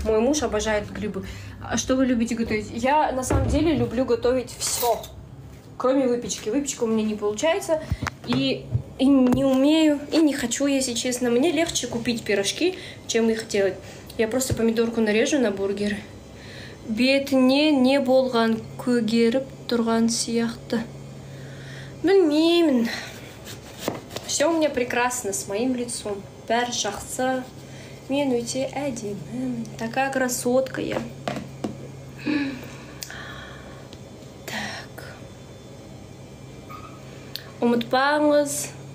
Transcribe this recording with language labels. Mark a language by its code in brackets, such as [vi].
[ru] Мой муж обожает грибы. А что вы любите готовить? Я на самом деле люблю готовить все, кроме выпечки. Выпечка у меня не получается. И не умею, и не хочу, если честно. Мне легче купить пирожки, чем их делать. Я просто помидорку нарежу на бургер. [kk] Бетіне не болған көгеріп тұрған сияқты. Білмеймін. [ru] Все у меня прекрасно с моим лицом. [kk] Бәрі жақсы. Мен өте әдемі. [ru] Такая красотка я. Так. [kk] Ұмытпаңыз.